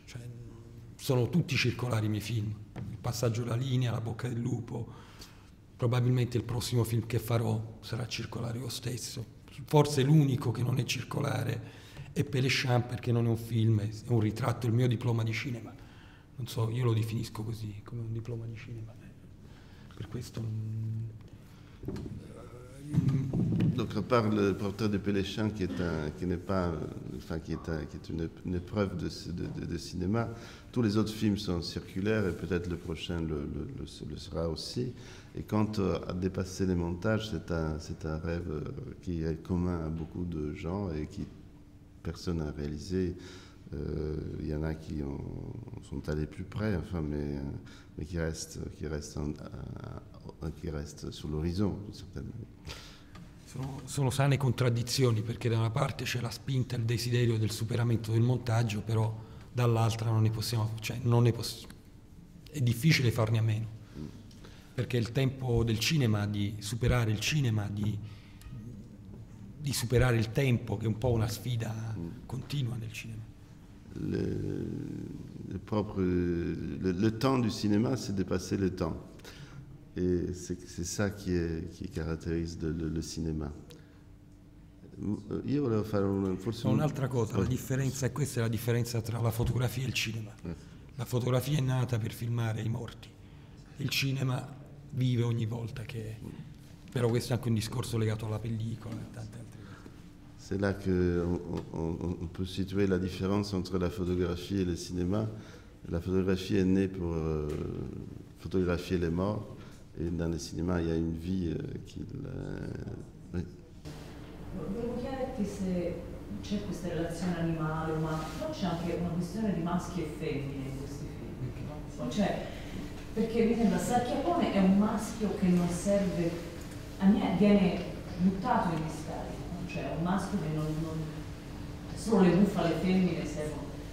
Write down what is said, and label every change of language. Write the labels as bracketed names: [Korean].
[Italian] Cioè, sono tutti circolari i miei film. Passaggio alla linea, La bocca del lupo, probabilmente il prossimo film che farò sarà circolare lo stesso, forse l'unico che non è circolare è Pélechin, perché non è un film, è un ritratto, il mio diploma di cinema, non so, io lo definisco così, come un diploma di cinema, per questo. [French] Donc à part le porteur de Pélechin qui est une épreuve de cinéma, tous les autres films sont circulaires et peut-être le prochain le sera aussi. Et quant à dépasser les montages, c'est un rêve qui est commun à beaucoup de gens et qui personne n'a réalisé. Il y en a qui sont allés plus près, enfin, mais qui reste sur l'horizon d'une certaine manière. [Italian] Sono sane contraddizioni, perché da una parte c'è la spinta, il desiderio del superamento del montaggio, però dall'altra è difficile farne a meno, perché il tempo del cinema, di superare il cinema, di superare il tempo, che è un po' una sfida continua nel cinema. [French] Le temps du cinema c'est dépasser le temps. Et c'est ça qui caractérise le cinéma. [Italian] Io volevo fare un'altra cosa, la differenza, questa è la differenza tra la fotografia e il cinema. La fotografia è nata per filmare i morti, il cinema vive ogni volta che. Però questo è anche un discorso legato alla pellicola e tante altre. [French] C'est là qu'on peut situer la différence entre la photographie et le cinéma. La photographie est née pour photographier les morts, et dans le cinéma, il y a une vie qui. Oui. [Italian] Volevo chiederti se c'è questa relazione animale, ma non c'è anche una questione di maschi e femmine in questi film? Cioè, perché mi sembra, Sacchiapone è un maschio che non serve a niente, viene buttato in discarico, cioè un maschio che non solo le bufale femmine servono.